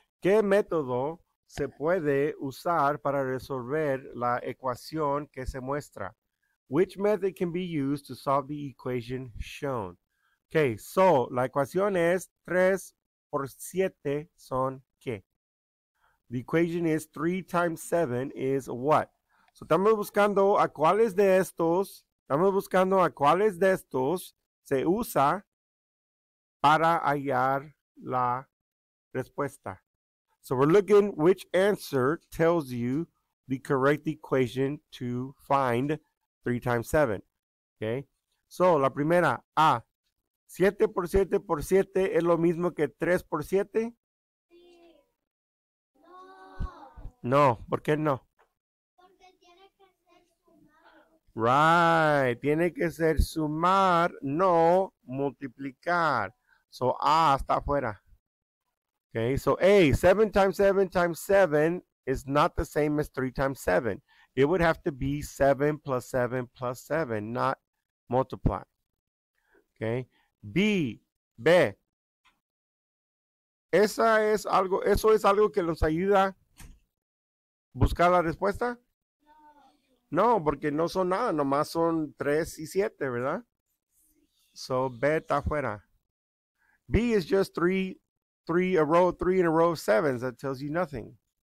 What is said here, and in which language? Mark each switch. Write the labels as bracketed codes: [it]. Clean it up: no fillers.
[es] ¿Qué método se puede usar para resolver la ecuación que se muestra? [en] Which method can be used to solve the equation shown? [es] Okay, so la ecuación es 3 por 7 son qué? [en] The equation is 3 times 7 is what? [es] So estamos buscando a cuáles de estos, se usa para hallar la respuesta. [en] So we're looking which answer tells you the correct equation to find 3 times 7. [es] Okay. So la primera, A. 7 por 7 por 7 es lo mismo que 3 por 7? Sí. No. No. ¿Por qué no? Porque tiene que ser sumar. Right. Tiene que ser sumar, no multiplicar. So A está afuera. [en] Okay, so A, 7 times 7 times 7 is not the same as 3 times 7. It would have to be 7 plus 7 plus 7, not multiply. Okay, B. [es] ¿Esa es algo, eso es algo que nos ayuda buscar la respuesta? No. No, porque no son nada, nomás son 3 y 7, ¿verdad? So B está afuera. [en] B is just 3 in a row of 7s, that tells you nothing.